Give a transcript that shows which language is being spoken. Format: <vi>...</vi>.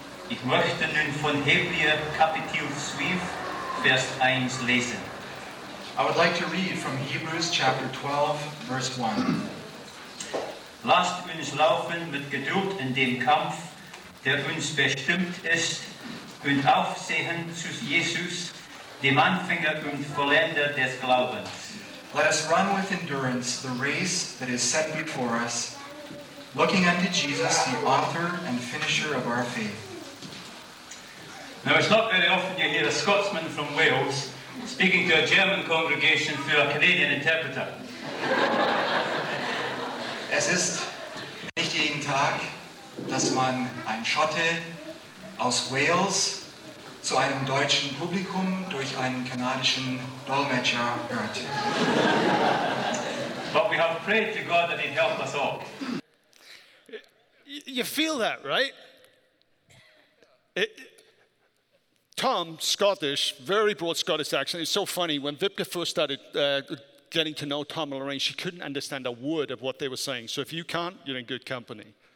<de>Ich möchte nun von Hebräer Kapitel 12, Vers 1 lesen.</de> <en>I would like to read from Hebrews chapter 12, verse 1.</en> <de>Lasst uns laufen mit Geduld in dem Kampf, der uns bestimmt ist, und aufsehen zu Jesus, dem Anfänger und Vollender des Glaubens.</de> <en>Let us run with endurance the race that is set before us, looking unto Jesus, the author and finisher of our faith. Now, it's not very often you hear a Scotsman from Wales speaking to a German congregation through a Canadian interpreter.</en> <de>Es ist nicht jeden Tag, dass man ein Schotte aus Wales zu einem deutschen Publikum durch einen kanadischen Dolmetscher hört.</de> <en>But we have prayed to God that he'd help us all. You feel that, right? Tom, Scottish, very broad Scottish accent. It's so funny. When Vibeke first started getting to know Tom and Lorraine, she couldn't understand a word of what they were saying. So if you can't, you're in good company.</en>